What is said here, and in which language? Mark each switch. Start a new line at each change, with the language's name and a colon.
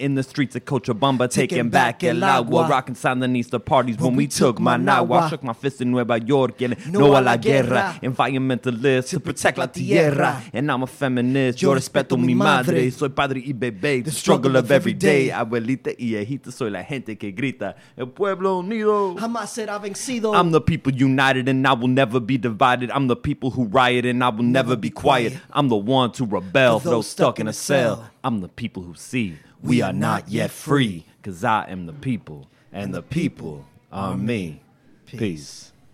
English: in the streets of Cochabamba, taking back
Spanish: El Agua,
English: rocking Sandinista parties. When we took Managua, I shook my fist in Nueva York and
Spanish: no a la guerra.
English: Environmentalist to protect
Spanish: la tierra.
English: And I'm a feminist.
Spanish: Yo respeto mi madre. Soy padre y bebé.
English: The struggle of every day.
Spanish: Abuelita y hijita, soy la gente que grita. El pueblo unido. Jamás será vencido.
English: I'm the people united and I will never be divided. I'm the people who riot and I will never be quiet. I'm the one to rebel, throw stuck in a cell. I'm the people who see we are not yet free. Cause I am the people and the people. On me. Peace.